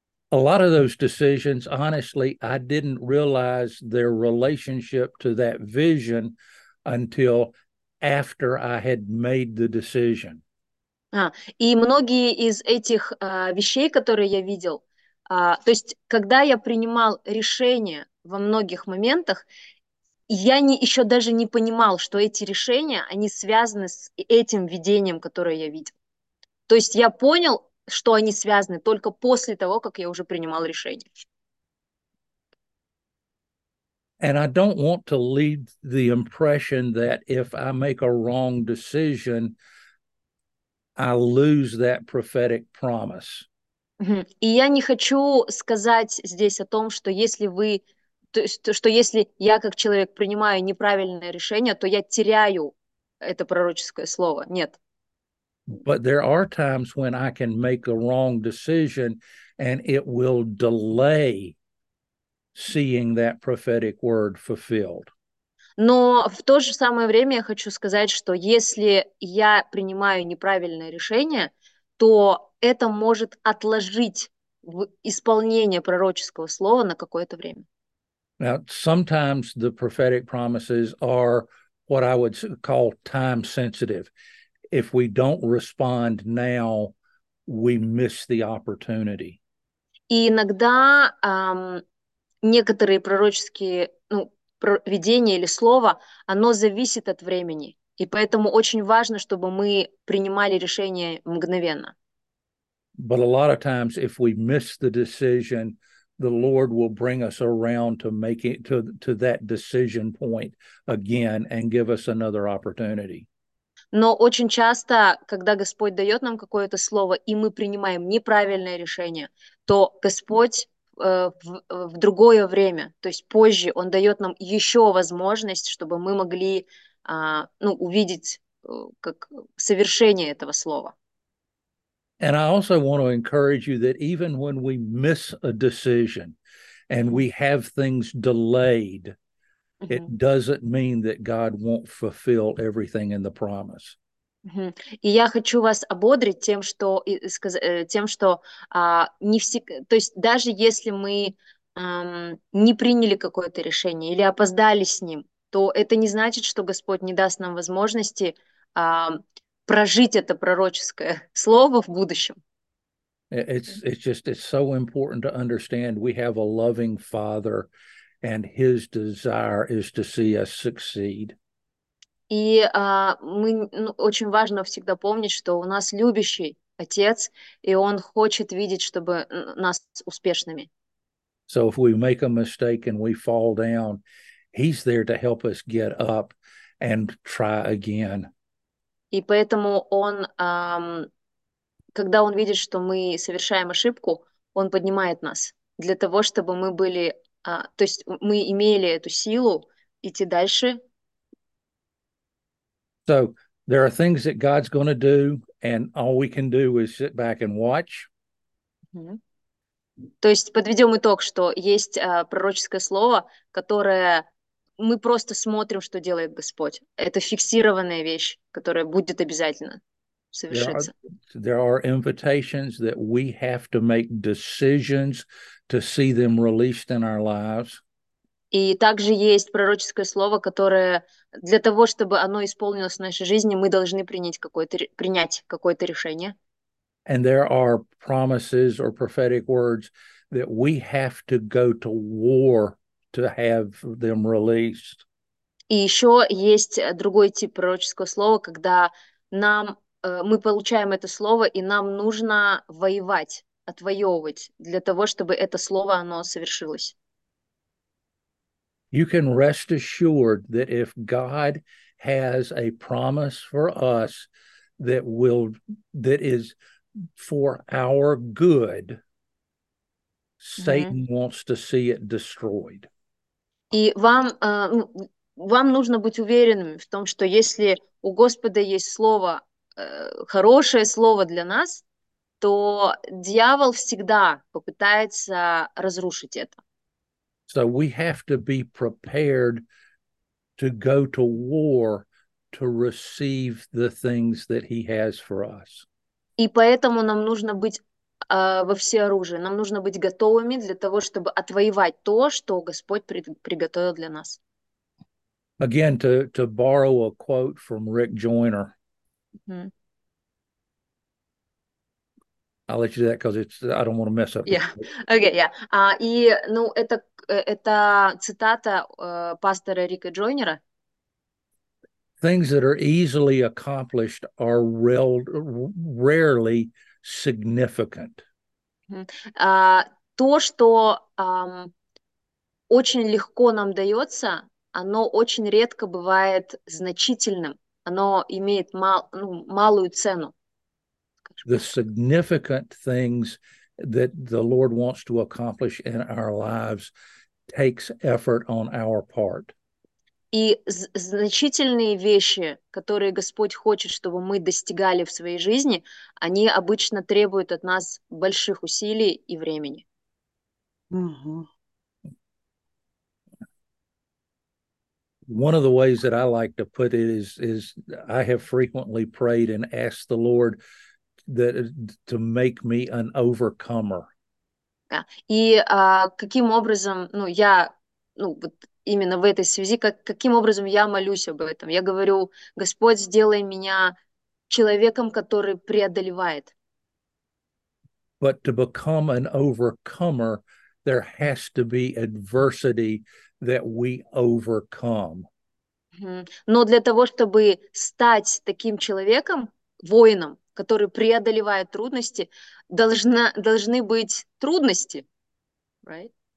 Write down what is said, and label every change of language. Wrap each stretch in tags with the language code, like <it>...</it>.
<en>A lot of those decisions, honestly, I didn't realize their relationship to that vision until after I had made the decision.</en> <ru>И многие из этих вещей, которые я видел, то есть когда я принимал решение во многих моментах, я не, еще даже не понимал, что эти решения, они связаны с этим видением, которое я видел. То есть я понял, что они связаны только после того, как я уже принимал решение.</ru> <en>And I don't want to leave the impression that if I make a wrong decision, I lose that prophetic promise.</en> <ru>И я не хочу сказать здесь о том, что если вы, то есть, что если я как человек принимаю неправильное решение, то я теряю это пророческое слово. Нет.</ru> <en>But there are times when I can make a wrong decision and it will delay seeing that prophetic word fulfilled.</en> <ru>Но в то же самое время я хочу сказать, что если я принимаю неправильное решение, то это может отложить исполнение пророческого слова на какое-то время.</ru> <en>Now, sometimes the prophetic promises are what I would call time sensitive. If we don't respond now, we miss the opportunity.</en> <ru>И иногда некоторые пророческие, ну, видение или слово, оно зависит от времени. И поэтому очень важно, чтобы мы принимали решение мгновенно.</ru> <en>But a lot of times, if we miss the decision, the Lord will bring us around to make it to that decision point again and give us another opportunity.</en> <ru>Но очень часто, когда Господь дает нам какое-то слово, и мы принимаем неправильное решение, то Господь в другое время, то есть позже, Он дает нам еще возможность, чтобы мы могли ну, увидеть как совершение этого слова.</ru> <en>And I also want to encourage you that even when we miss a decision and we have things delayed, it doesn't mean that God won't fulfill everything in the promise.</en> <ru>И я хочу вас ободрить тем, что, не всегда, то есть даже если мы не приняли какое-то решение или опоздали с ним, то это не значит, что Господь не даст нам возможности прожить это пророческое слово в будущем.</ru> <en>It's so important to understand we have a loving Father and His desire is to see us succeed.</en> <ru>И мы, ну, очень важно всегда помнить, что у нас любящий Отец, и Он хочет видеть, чтобы нас успешными.</ru> <en>So if we make a mistake and we fall down, He's there to help us get up and try again.</en> <ru>И поэтому Он, когда Он видит, что мы совершаем ошибку, Он поднимает нас для того, чтобы мы были, то есть мы имели эту силу идти дальше.</ru> <en>So there are things that God's going to do, and all we can do is sit back and watch.</en> <ru>То есть подведем итог, что есть пророческое слово, которое мы просто смотрим, что делает Господь. Это фиксированная вещь, которая будет обязательно совершиться.</ru> <en>There are invitations that we have to make decisions to see them released in our lives.</en> <ru>И также есть пророческое слово, которое для того, чтобы оно исполнилось в нашей жизни, мы должны принять какое-то решение.</ru> <en>And there are promises or prophetic words that we have to go to war to have them released.</en> <ru>И еще есть другой тип пророческого слова, когда нам мы получаем это слово, и нам нужно воевать, отвоевывать для того, чтобы это слово оно совершилось.</ru> <en>You can rest assured that if God has a promise for us that will that is for our good, Satan wants to see it destroyed.</en> <ru>И вам, вам нужно быть уверенными в том, что если у Господа есть слово, хорошее слово для нас, то дьявол всегда попытается разрушить это.</ru> <en>So we have to be prepared to go to war to receive the things that he has for us.</en> <ru>И поэтому нам нужно быть во всеоружии. Нам нужно быть готовыми для того, чтобы отвоевать то, что Господь приготовил для нас.</ru> <en>Again, to borrow a quote from Rick Joyner. I'll let you do that because it's I don't want to mess up. Yeah. Okay, yeah.</en> <ru>Это цитата пастора Рика Джойнера.</ru> <en>Things that are easily accomplished are rarely significant.</en> <ru>То, что очень легко нам дается, оно очень редко бывает значительным. Оно имеет малую цену.</ru> <en>The significant things that the Lord wants to accomplish in our lives takes effort on our part.</en> <ru>И значительные вещи, которые Господь хочет, чтобы мы достигали в своей жизни, они обычно требуют от нас больших усилий и времени.</ru> <en>One of the ways that I like to put it is I have frequently prayed and asked the Lord that to make me an overcomer.</en> <ru>И каким образом, ну, я, ну, вот именно в этой связи, каким образом я молюсь об этом? Я говорю, Господь, сделай меня человеком, который преодолевает.</ru> <en>But to become an overcomer, there has to be adversity that we overcome.</en> <ru>Но для того, чтобы стать таким человеком, воином, который преодолевает трудности, должны быть трудности, right?</ru>